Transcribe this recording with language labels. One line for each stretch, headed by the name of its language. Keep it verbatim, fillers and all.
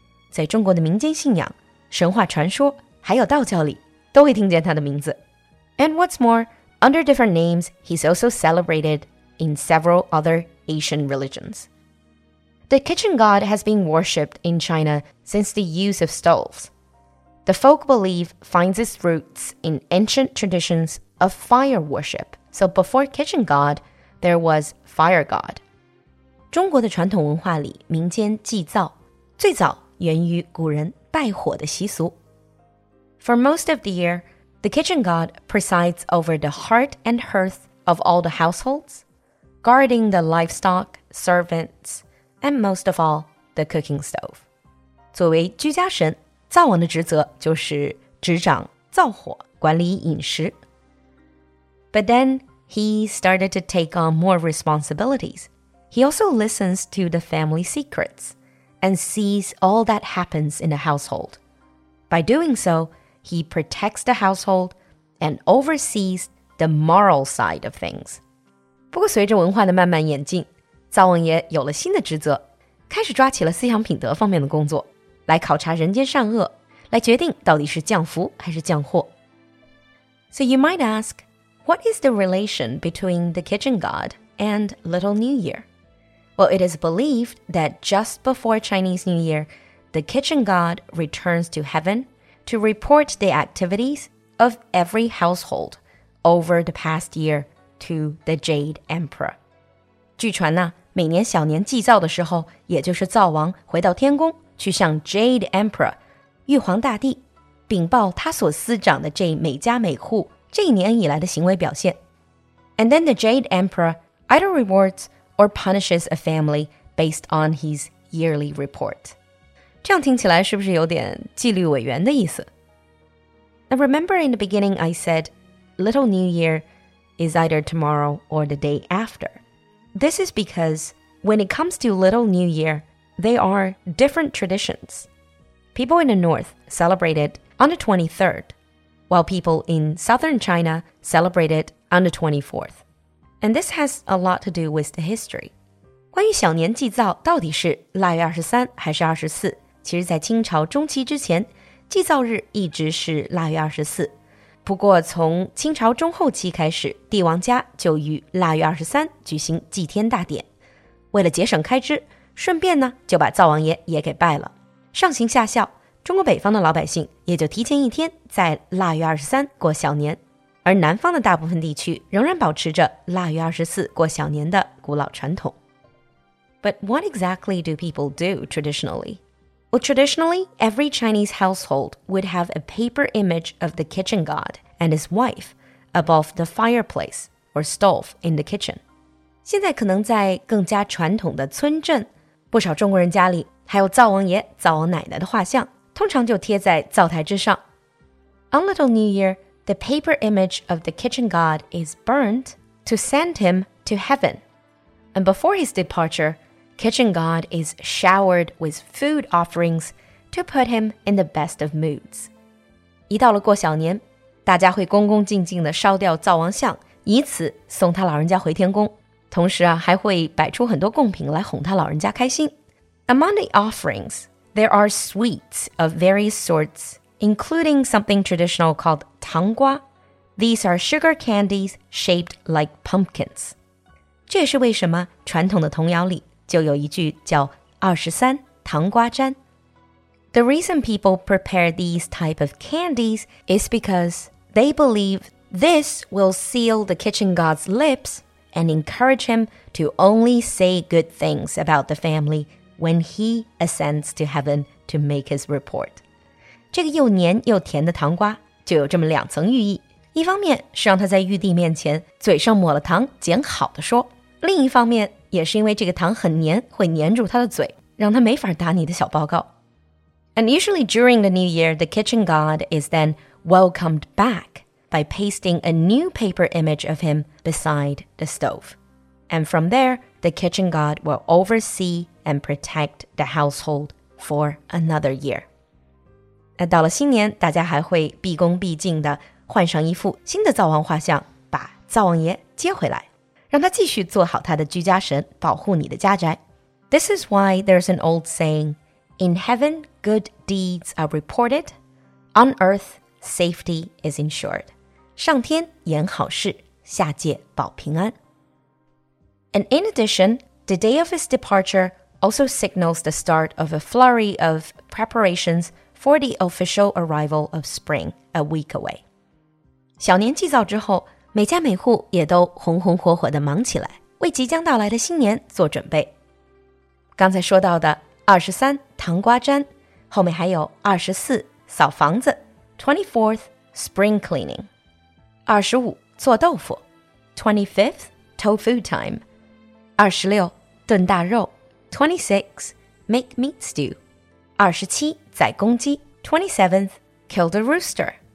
Chinese: 在中国的民间信仰神话传说还有道教里都会听见它的名字
English: And what's more, under different names he's also celebrated in several other Asian religions The Kitchen God has been worshipped in China since the use of stoves The folk belief finds its roots in ancient traditions of fire worship. So before kitchen god, there was fire god.
Chinese: 中国的传统文化里，民间祭灶最早源于古人拜火的习俗。
English: For most of the year, the kitchen god presides over the heart and hearth of all the households, guarding the livestock, servants, and most of all, the cooking stove.
Chinese: 作为居家神灶王的职责就是执掌灶火，管理饮食。
English: But then he started to take on more responsibilities. He also listens to the family secrets and sees all that happens in the household. By doing so, he protects the household and oversees the moral side of things.
Chinese: 不过随着文化的慢慢演进，灶王爷有了新的职责，开始抓起了思想品德方面的工作。来考察人间善恶，来决定到底是降福还是降祸。
English: So you might ask, what is the relation between the kitchen god and Little New Year? Well, it is believed that just before Chinese New Year, the kitchen god returns to heaven to report the activities of every household over the past year to the Jade Emperor.
Chinese: 据传呢，每年小年祭灶的时候，也就是灶王回到天宫去向 Jade Emperor 玉皇大帝禀报他所司掌的这每家每户这一年以来的行为表现
English: And then the Jade Emperor either rewards or punishes a family based on his yearly report
Chinese: 这样听起来是不是有点纪律委员的意思
English: Now remember in the beginning I said Little New Year is either tomorrow or the day after This is because when it comes to Little New Year They are different traditions. People in the north celebrate it on the twenty-third, while people in southern China celebrate it on the twenty-fourth. And this has a lot to do with the history.
Chinese: 关于小年祭灶到底是腊月二十三还是二十四，其实在清朝中期之前，祭灶日一直是腊月二十四。不过从清朝中后期开始，帝王家就于腊月二十三举行祭天大典。为了节省开支，顺便呢就把灶王爷也给拜了上行下效中国北方的老百姓也就提前一天在腊月二十三过小年而南方的大部分地区仍然保持着腊月二十四过小年的古老传统。
English: But what exactly do people do traditionally? Well, traditionally, every Chinese household would have a paper image of the kitchen god and his wife above the fireplace or stove in the kitchen.
Chinese: 现在可能在更加传统的村镇，不少中国人家里还有灶王爷、灶王奶奶的画像，通常就贴在灶台之上。
English: On Little New Year, the paper image of the kitchen god is burnt to send him to heaven. And before his departure, kitchen god is showered with food offerings to put him in the best of moods.
Chinese: 一到了过小年，大家会恭恭敬敬地烧掉灶王像，以此送他老人家回天宫。同时啊，还会摆出很多贡品来哄他老人家开心。
English: Among the offerings, there are sweets of various sorts, including something traditional called 糖瓜. These are sugar candies shaped like pumpkins.
Chinese: 这也是为什么传统的童谣里就有一句叫二十三糖瓜粘。
English: The reason people prepare these type of candies is because they believe this will seal the kitchen god's lips. And encourage him to only say good things about the family when he ascends to heaven to make his report.
Chinese: 这个又黏又甜的糖瓜就有这么两层寓意，一方面是让他在玉帝面前嘴上抹了糖，捡好的说，另一方面也是因为这个糖很黏，会黏住他的嘴，让他没法打你的小报告。
English: And usually during the New Year, the kitchen god is then welcomed back. By pasting a new paper image of him beside the stove. And from there, the kitchen god will oversee and protect the household for another year.
Chinese: 那到了新年，大家还会毕恭毕敬地换上一副新的灶王画像，把灶王爷接回来，让他继续做好他的居家神，保护你的家宅。
English: This is why there's an old saying, in heaven, good deeds are reported, on earth, safety is ensured.
Chinese: 上天言好事，下界保平安。
English: And in addition, the day of his departure also signals the start of a flurry of preparations for the official arrival of spring a week away.
Chinese: 小年祭灶之后，每家每户也都红红火火地忙起来，为即将到来的新年做准备。刚才说到的二十三糖瓜粘，后面还有二十四扫房子
English: ，twenty-fourth spring cleaning.
Chinese: 二十五做豆腐
English: twenty-fifth tofu time
Chinese: 二十六炖大肉
English: twenty-sixth make meat stew
Chinese: 二十七宰公鸡
English: twenty-seventh kill the rooster